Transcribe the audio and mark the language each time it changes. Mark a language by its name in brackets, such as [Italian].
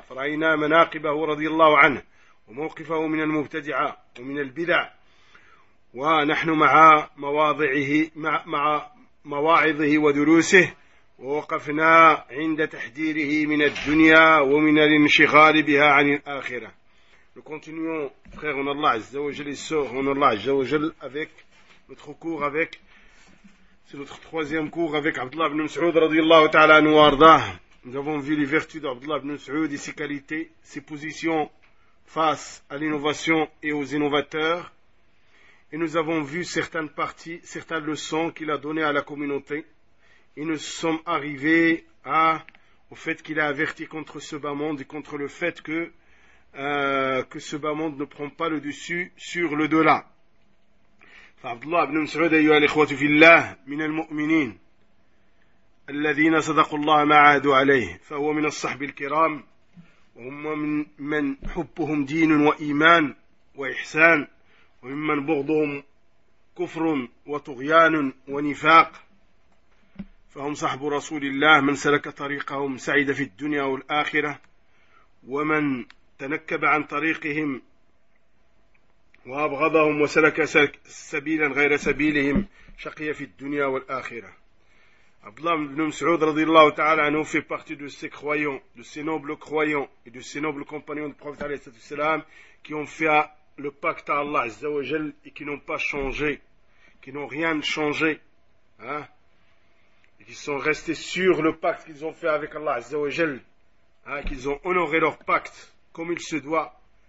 [Arabic] فرأينا مناقبه رضي الله عنه وموقفه من المبتدعة ومن البدع، ونحن مع مواضعه مع مواعظه ودروسه، ووقفنا عند تحذيره من الدنيا ومن الانشغال بها عن الآخرة. [French] Nous continuons, frère, on Allah Azza wa Jal et sœur, on Allah Azza wa Jal, avec notre cours, avec, c'est notre troisième cours avec Abdullah ibn Mas'ud radiyallahu ta'ala anhu wa arda. Nous avons vu les vertus d'Abdullah ibn Mas'ud et ses qualités, ses positions face à l'innovation et aux innovateurs. Et nous avons vu certaines parties, certaines leçons qu'il a données à la communauté. Et nous sommes arrivés au fait qu'il a averti contre ce bas monde et contre le fait que ce bas monde ne prend pas le dessus sur le delà. [Arabic] Abdullah ibn Mas'ud ayyuha al-ikhwatu fillah min al-mu'minin alladhina sadaqu Allah ma'adu alayh fa huwa min as-sahbi al-kiram وهم من حبهم دين وإيمان وإحسان، وممن بغضهم كفر وطغيان ونفاق، فهم صحب رسول الله من سلك طريقهم سعد في الدنيا والآخرة، ومن تنكب عن طريقهم وأبغضهم وسلك سبيلا غير سبيلهم شقي في الدنيا والآخرة. [French] Abdullah ibn Mas'ud radiyallahu ta'ala anhu fait partie de ces croyants, de ces nobles croyants et de ces nobles compagnons du prophète alayhi salatu wasalam qui ont fait le pacte à Allah azza wa jal et qui n'ont pas changé, qui n'ont rien changé, hein, et qui sont restés sur le pacte qu'ils ont fait avec Allah azza wa jal, hein, qu'ils ont honoré leur pacte comme il se doit.